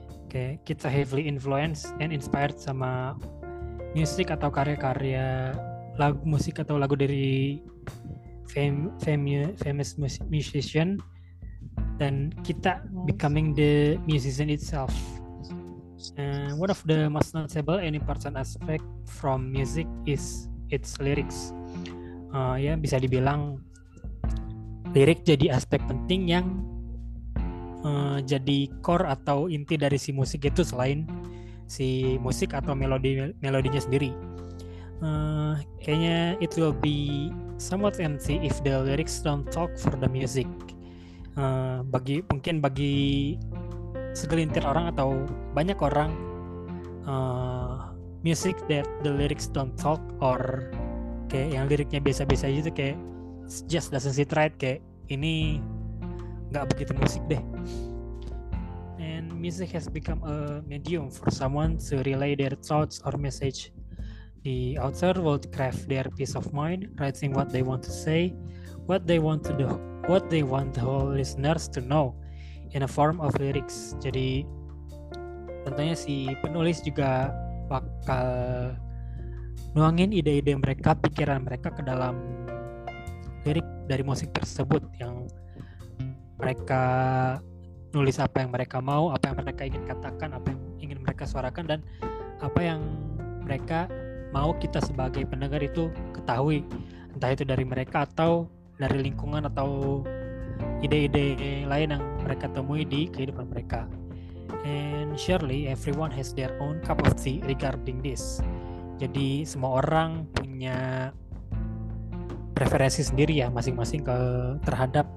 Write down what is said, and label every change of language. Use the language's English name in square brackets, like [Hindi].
[Indonesian] Okay, kita [English] heavily influenced and inspired [Indonesian] sama music atau karya-karya lagu musik atau lagu dari [English] famous musician. [Indonesian] Dan kita [English] becoming the musician itself. And one of the most notable and important aspect from music is its lyrics. [Indonesian] Ya, bisa dibilang lirik jadi aspek penting yang jadi core atau inti dari si musik itu selain si musik atau melodinya sendiri. Kayaknya [English] it will be somewhat empty if the lyrics don't talk for the music. [Indonesian] Bagi segelintir orang atau banyak orang, [English] music that the lyrics don't talk [Indonesian] or kayak yang liriknya biasa-biasa aja itu kayak [English] just doesn't sit right, [Indonesian] kayak ini gak begitu musik deh. [English] And music has become a medium for someone to relay their thoughts or message. The author will craft their peace of mind, writing what they want to say, what they want to do, what they want the whole listeners to know in a form of lyrics. [Indonesian] Jadi tentunya si penulis juga bakal nuangin ide-ide mereka, pikiran mereka ke dalam lirik dari musik tersebut yang mereka nulis, apa yang mereka mau, apa yang mereka ingin katakan, apa yang ingin mereka suarakan, dan apa yang mereka mau kita sebagai pendengar itu ketahui, entah itu dari mereka atau dari lingkungan atau ide-ide lain yang mereka temui di kehidupan mereka. [English] And surely everyone has their own cup of tea regarding this. [Indonesian] Jadi semua orang punya preferensi sendiri ya, masing-masing terhadap